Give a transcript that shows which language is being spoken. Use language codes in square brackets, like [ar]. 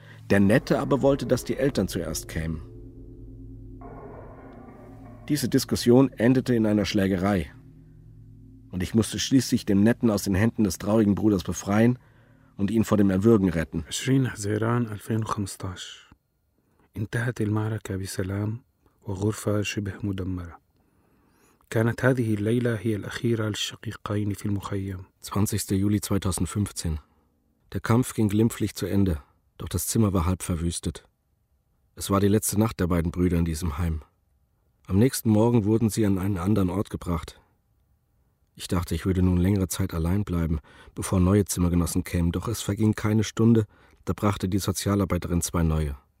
[de] Der Nette aber wollte, dass die Eltern zuerst kämen. Diese Diskussion endete in einer Schlägerei. Und ich musste schließlich den Netten aus den Händen des traurigen Bruders befreien und ihn vor dem Erwürgen retten. 20. Heziran 2015. [ar] انتهت المعركة بسلام وغرفة شبه مدمرة. كانت هذه الليلة هي الأخيرة للشقيقين في المخيم. [de] 20. Juli 2015. Der Kampf ging glimpflich zu Ende, doch das Zimmer war halb verwüstet. Es war die letzte Nacht der beiden Brüder in diesem Heim. Am nächsten Morgen wurden sie an einen anderen Ort gebracht. Ich dachte, ich würde nun längere Zeit allein bleiben, bevor neue Zimmergenossen kämen, doch es verging keine Stunde, da brachte die Sozialarbeiterin zwei neue.